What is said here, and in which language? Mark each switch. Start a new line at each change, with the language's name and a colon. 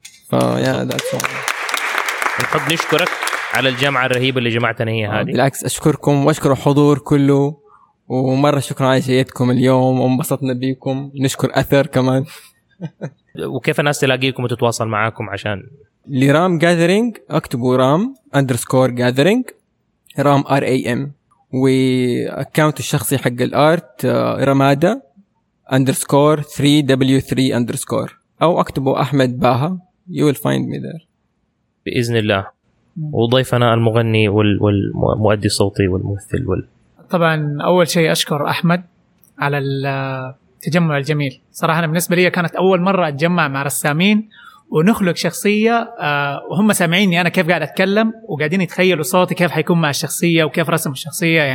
Arabic: فيا ذات شو نحب نشكرك على الجامعة الرهيبة اللي جمعتنا هي هذه. بالعكس أشكركم وأشكر حضور كله، ومرة شكرا على جيتكم اليوم وانبسطنا بيكم. نشكر أثر كمان. وكيف الناس تلاقيكم وتتواصل معاكم؟ عشان لرام gathering أكتبوا رام underscore gathering رام r a m، وأكاونت الشخصي حق الارت رمادة underscore 3w3 underscore، او اكتبوا احمد باها
English: you will find me there
Arabic: باذن الله. وضيفنا المغني والمؤدي الصوتي والممثل طبعا اول شيء اشكر احمد على التجمع الجميل صراحه. أنا بالنسبه لي كانت اول مره اتجمع مع رسامين ونخلق شخصية وهم سامعيني أنا كيف قاعد أتكلم وقاعدين يتخيلوا صوتي كيف حيكون مع الشخصية وكيف رسم الشخصية.